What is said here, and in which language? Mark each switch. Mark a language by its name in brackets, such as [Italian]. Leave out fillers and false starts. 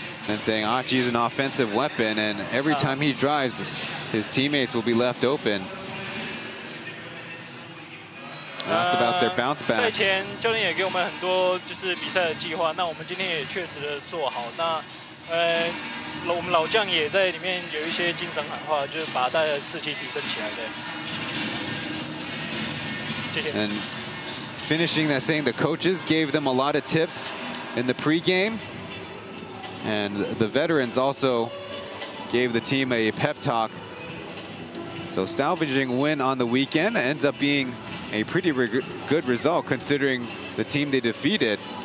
[English] And saying Aji is an offensive weapon, and every time he drives, his teammates will be left open. Asked about their bounce back. [Chinese] 赛前教练也给我们很多就是比赛的计划，那我们今天也确实的做好。那我们老将也在里面有一些精神喊话，就是把大家的士气提升起来的。谢谢。 [English] And finishing that, saying the coaches gave them a lot of tips in the pregame, and the veterans also gave the team a pep talk. So salvaging win on the weekend ends up being a pretty good result considering the team they defeated.